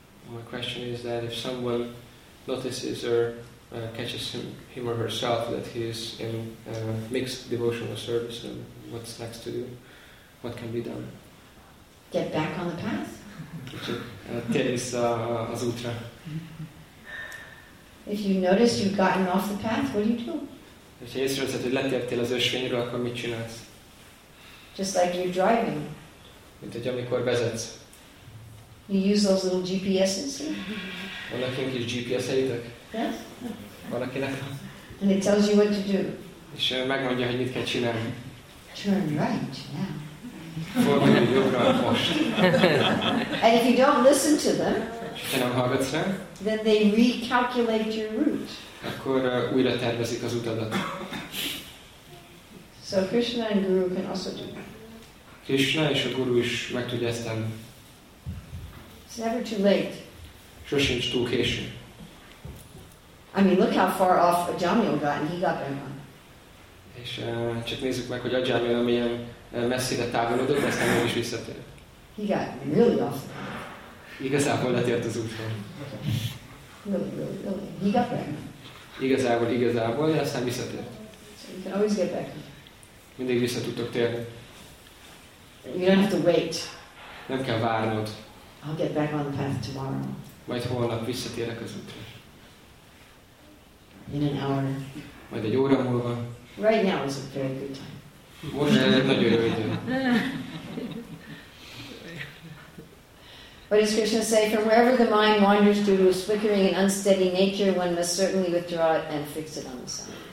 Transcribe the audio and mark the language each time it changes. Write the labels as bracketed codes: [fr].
[en] My question is that if someone notices or catches him or herself that he is in mixed devotional service, then what's next to do? What can be done? Get back on the path. [hu] Tenis az útra. [en] If you notice you've gotten off the path, what do you do? If you notice that you've [hu] lettértél az ösvényről, akkor mit csinálsz? [en] Just like you're driving. [hu] Mint hogy amikor vezetsz. [en] You use those little GPSs? [hu] Van akinek is GPS-eitek? [en] Yes. [hu] Van akinek? [en] And it tells you what to do. [hu] És megmondja, hogy mit kell csinálni. [en] Turn right, yeah. [hu] Fordulj jobbra most. [en] And if you don't listen to them, [hu] ha nem hallgatsz rá, [en] then they recalculate your route. [hu] Akkor újra tervezik az utadat. [en] So Krishna and Guru can also do that. [hu] Krishna és a Guru is meg tudja ezt tenni. [en] It's never too late. [hu] Sosincs túl késő. [en] I mean, look how far off Ajamil got, and he got Brahma. [hu] És csak nézzük meg, hogy Ajamil milyen messzire távolodott, aztán ő is visszatért. [en] He got really off. [hu] Igazából letért az úton. [en] Really. He got Brahma. [hu] Igazából, és aztán visszatért. [en] So you can always get back. [hu] Mindig vissza tudtok térni. [en] You don't have to wait. [hu] Nem kell várnod. [en] I'll get back on the path tomorrow. [hu] Majd holnap visszatérek az útra. [en] In an hour. [hu] Majd egy óra múlva. [en] Right now is a very good time. [hu] Most már egy nagyon jó idő. [en] What does Krishna say? From wherever the mind wanders due to a flickering and unsteady nature, one must certainly withdraw it and fix it on the sun.